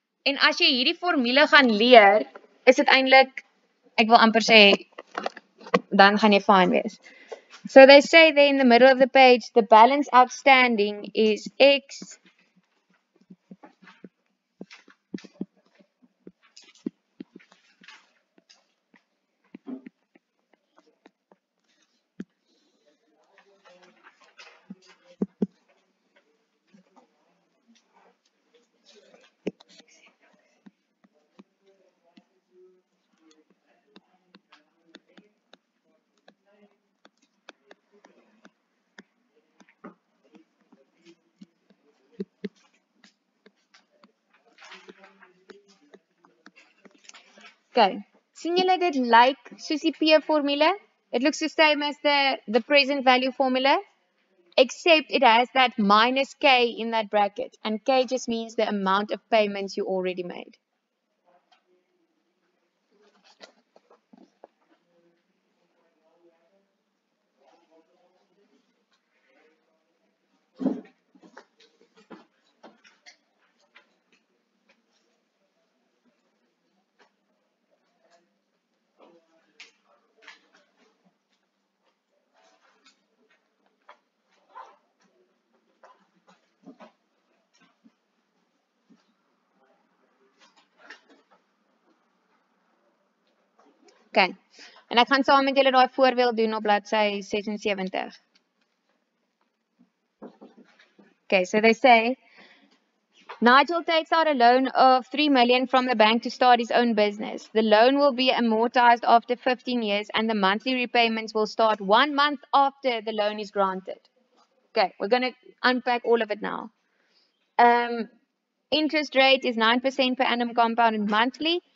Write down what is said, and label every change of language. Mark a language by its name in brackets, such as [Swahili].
[Afrikaans] En as jy hierdie formule gaan leer, is dit eintlik, ek wil amper sê, dan gaan jy fine wees. [English] So they say there in the middle of the page, the balance outstanding is x. [Afrikaans] Sien julle dit lyk soos die P-formule? [English] It looks the same as the present value formula, except it has that minus K in that bracket, and K just means the amount of payments you already made. Okay. [Afrikaans] En ek gaan saam met julle daai voorbeeld doen op bladsy 76. [English] Okay, so they say Nigel takes out a loan of 3 million from the bank to start his own business. The loan will be amortized after 15 years and the monthly repayments will start 1 month after the loan is granted. Okay, we're going to unpack all of it now. Interest rate is 9% per annum compounded monthly.